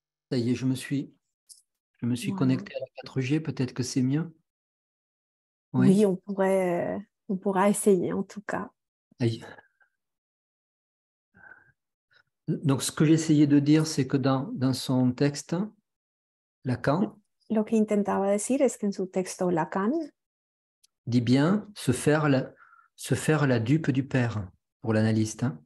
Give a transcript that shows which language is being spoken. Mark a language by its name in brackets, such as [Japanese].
[French] Ça y est, je me suis connecté à la 4G, peut-être que c'est mieux. Oui, on pourra essayer en tout cas. Aïe. Donc, ce que j'essayais de dire, c'est que dans son texte, Lacan... [Spanish] Lo que intentaba decir es que en su texto Lacan... [French] dit bien se faire la dupe du père, pour l'analyste.